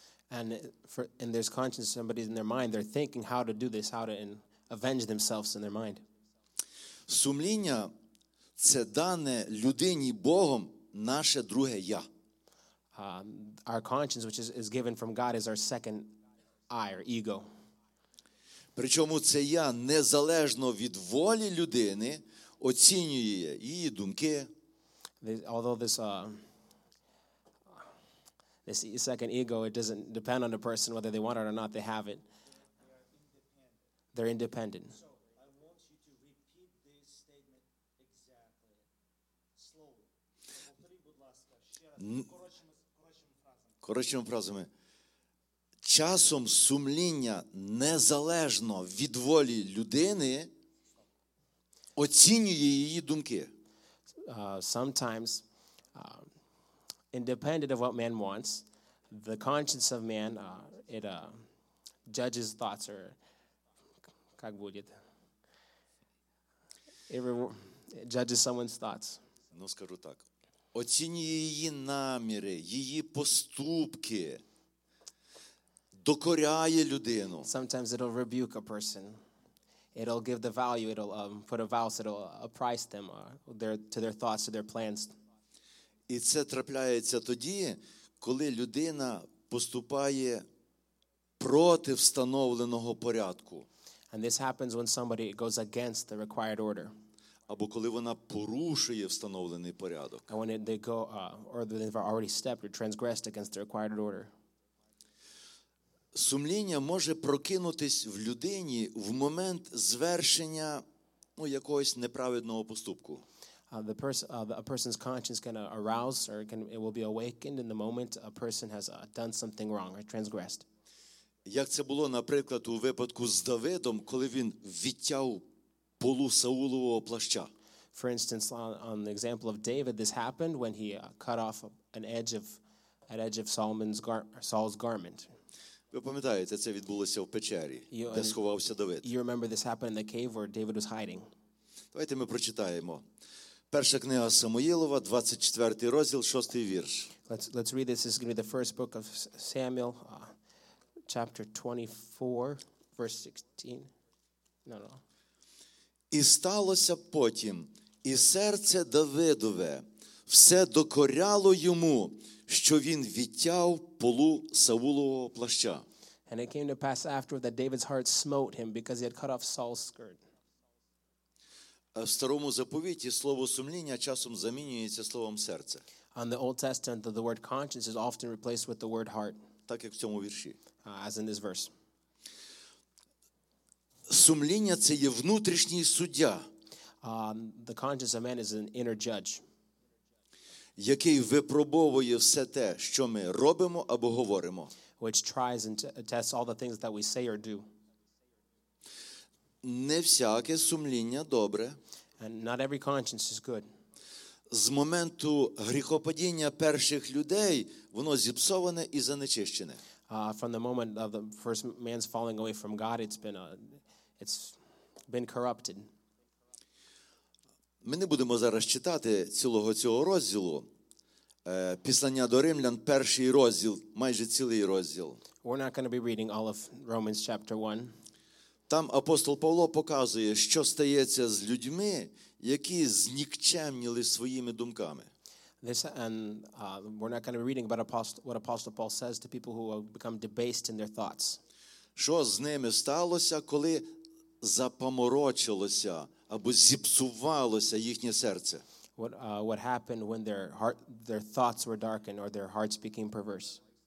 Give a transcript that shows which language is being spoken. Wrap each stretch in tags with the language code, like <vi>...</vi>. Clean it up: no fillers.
<en>And for in their conscience, somebody in their mind, they're thinking how to do this, how to avenge themselves in their mind.</en> <uk>Сумління – це дане людині Богом наше друге «я».</uk> <en>Our conscience, which is given from God, is our second I, or ego.</en> <uk>Причому це «я» незалежно від волі людини оцінює її думки.</uk> <en>Although this this second ego, it doesn't depend on the person whether they want it or not, they have it. They're independent.</en> <uk>Коротшими фразами, часом сумління незалежно від волі людини оцінює її думки.</uk> <en>Sometimes, independent of what man wants, the conscience of man, it judges thoughts or</en> <ru>как будет?</ru> <en>It judges someone's thoughts.</en> <uk>Ну, скажу так. Оцінює її наміри, її поступки, докоряє людину.</uk> <en>Sometimes it'll rebuke a person. It'll give the value, it'll put a value, it'll price them to their thoughts, to their plans.</en> <uk>І це трапляється тоді, коли людина поступає проти встановленого порядку.</uk> <en>And this happens when somebody goes against the required order.</en> <uk>Або коли вона порушує встановлений порядок.</uk> <en>And when they go, or they've already stepped or transgressed against the required order.</en> <uk>Сумління може прокинутись в людині в момент звершення якогось неправедного поступку.</uk> <en>A person's conscience can arouse or it will be awakened in the moment a person has done something wrong or transgressed.</en> <uk>Як це було, наприклад, у випадку з Давидом, коли він відтяв полу Саулового плаща.</uk> <en>For instance, on the example of David, this happened when he cut off an edge of Saul's garment.</en> <uk>Ви пам'ятаєте, це відбулося в печері, де сховався Давид.</uk> <en>You remember this happened in the cave where David was hiding.</en> <uk>Давайте ми прочитаємо. Перша книга Самуїлова, 24 розділ, 6 вірш.</uk> <en>Let's read this. This is going to be the first book of Samuel, chapter 24, verse 16. No.</en> <uk>І сталося потім, і серце Давидове все докоряло йому, що він відтяв полу Саулового плаща.</uk> <en>And it came to pass after that David's heart smote him because he had cut off Saul's skirt.</en> <uk>В старому заповіті слово сумління часом замінюється словом серце.</uk> <en>On the Old Testament, the word conscience is often replaced with the word heart.</en> <uk>Так як в цьому вірші.</uk> <en>As in this verse.</en> <uk>Сумління – це є внутрішній суддя.</uk> <en>The conscience of man is an inner judge.</en> <uk>Який випробовує все те, що ми робимо або говоримо.</uk> <en>Which tries and tests all the things that we say or do.</en> <uk>Не всяке сумління добре.</uk> <en>And not every conscience is good.</en> <uk>З моменту гріхопадіння перших людей воно зіпсоване і занечищене.</uk> <en>From the moment of the first man's falling away from God, it's been corrupted.</en> <uk>Ми не будемо зараз читати цілого цього розділу. Післання до Римлян, перший розділ, майже цілий розділ.</uk> <en>We're not going to be reading all of Romans chapter 1.</en> <uk>Там апостол Павло показує, що стається з людьми, які знікчемніли своїми думками.</uk> <en>We're not going to be reading about what Apostle Paul says to people who have become debased in their thoughts.</en> <uk>Що з ними сталося, коли запаморочилося або зіпсувалося їхнє серце.</uk> <en>What happened when their heart, their thoughts were darkened or their hearts became perverse?</en>